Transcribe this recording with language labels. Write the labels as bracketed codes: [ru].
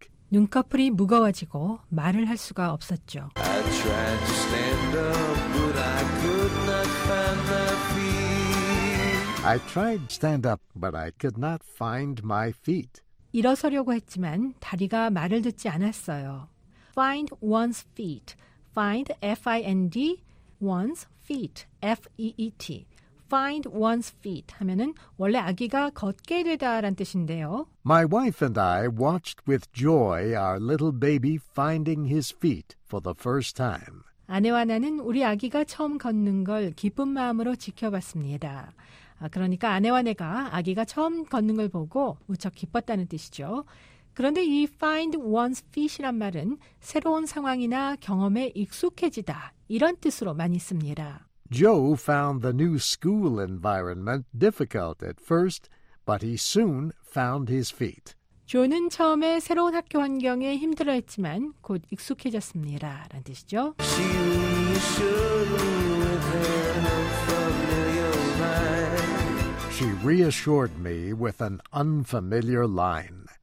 [ko] 눈꺼풀이 무거워지고 말을 할 수가 없었죠. [en] I tried to stand up, but I could not find I tried stand up, but I could not find my feet. [ko] 일어서려고 했지만 다리가 말을 듣지 않았어요. [en] Find one's feet. Find F-I-N-D, one's feet, F-E-E-T. [ko] Find one's feet 하면은 원래 아기가 걷게 되다란 뜻인데요. [en] My wife and I watched with joy our little baby finding his feet for the first time. [ko] 아내와 나는 우리 아기가 처음 걷는 걸 기쁜 마음으로 지켜봤습니다. 그러니까 아내와 내가 아기가 처음 걷는 걸 보고 무척 기뻤다는 뜻이죠. 그런데 이 find one's feet이란 말은 새로운 상황이나 경험에 익숙해지다 이런 뜻으로 많이 씁니다. [en] Joe found the new school environment difficult at first, but he soon found his feet. [ko] 조는 처음에 새로운 학교 환경에 힘들어했지만 곧 익숙해졌습니다. 라는 뜻이죠. [en] She reassured me with an unfamiliar line. She reassured me with an unfamiliar line.